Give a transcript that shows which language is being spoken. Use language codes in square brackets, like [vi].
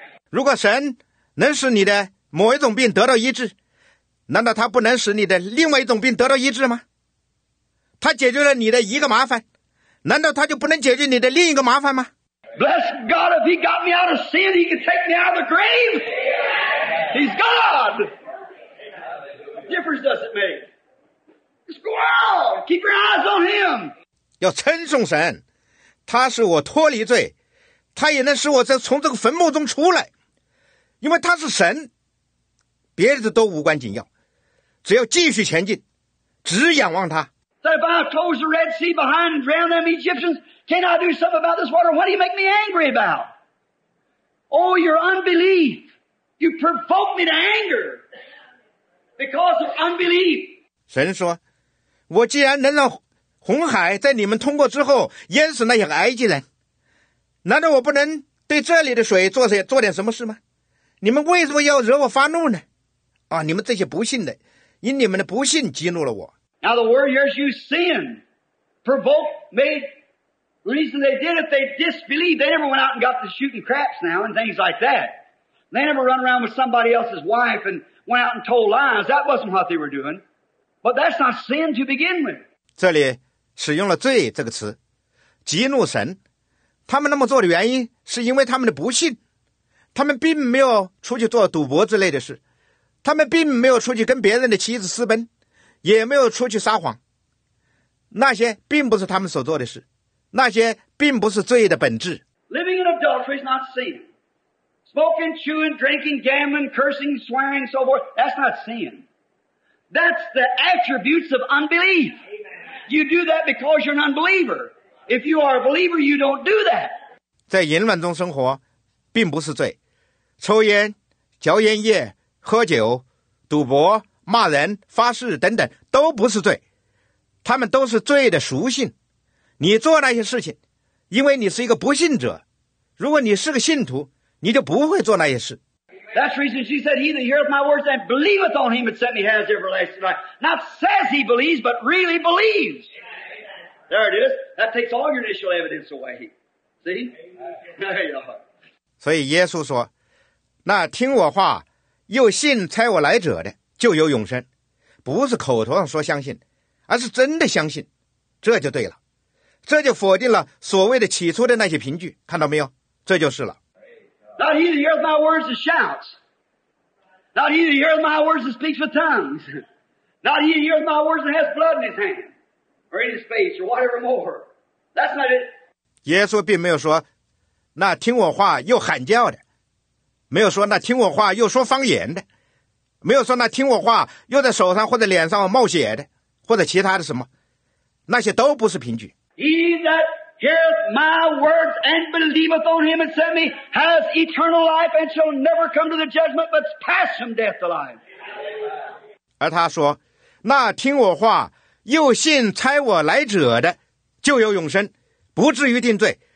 [zh] 如果神能使你的某一种病得到医治，难道他不能使你的另外一种病得到医治吗？他解决了你的一个麻烦，难道他就不能解决你的另一个麻烦吗？ [en] Bless God, if he got me out of sin, he could take me out of the grave. He's God. What difference does it make? Just go out. Keep your eyes on him. [zh] 要称颂神，他使我脱离罪，他也能使我从这个坟墓中出来，因为他是神，别的都无关紧要，只要继续前进，只仰望他。 [en] That if I close the Red Sea behind and drown them Egyptians, can I do something about this water? What do you make me angry about? Oh, your unbelief. You provoke me to anger because of unbelief. [zh] 神说，我既然能让红海在你们通过之后淹死那些埃及人，难道我不能对这里的水做点什么事吗？你们为什么要惹我发怒呢？啊，你们这些不信的，因你们的不信激怒了我。 [en] Now the word here is you sin, provoked, made, the reason they did it, they disbelieved. They never went out and got the shooting craps now and things like that. They never run around with somebody else's wife and went out and told lies. That wasn't what they were doing. But that's not sin to begin with. [zh] 这里使用了罪这个词，激怒神。他们那么做的原因是因为他们的不信，他们并没有出去做赌博之类的事，他们并没有出去跟别人的妻子私奔，也没有出去撒谎，那些并不是他们所做的事，那些并不是罪的本质。 [en] Living in adultery is not sin. Smoking, chewing, drinking, gambling, cursing, swearing, so forth, that's not sin. That's the attributes of unbelief. You do that because you're an unbeliever. If you are a believer, you don't do that. [zh] 在淫乱中生活并不是罪，抽烟、嚼烟叶、喝酒、赌博、骂人、发誓等等都不是罪，他们都是罪的属性。你做那些事情，因为你是一个不信者。如果你是个信徒，你就不会做那些事。 [en] That's the reason she said, "He that heareth my words and believeth on him that sent me has everlasting life." Not says he believes, but really believes. There it is. That takes all your initial evidence away. See? There you are. [zh] 所以耶稣说，那听我话又信差我来者的就有永生，不是口头上说相信，而是真的相信，这就对了，这就否定了所谓的起初的那些凭据，看到没有，这就是了。 [en] Not he that heareth my words and shouts, not he that heareth my words and speaks with tongues, not he that heareth my words and has blood in his hand or in his face or whatever more, that's not it. [zh] 耶稣并没有说那听我话又喊叫的，没有说那听我话又说方言的，没有说那听我话又在手上或者脸上冒血的，或者其他的什么，那些都不是凭据。 [en] He that heareth my words and believeth on him that sent me has eternal life and shall never come to the judgment, but pass from death to life. [zh] 而他说，那听我话又信差我来者的，就有永生，不至于定罪。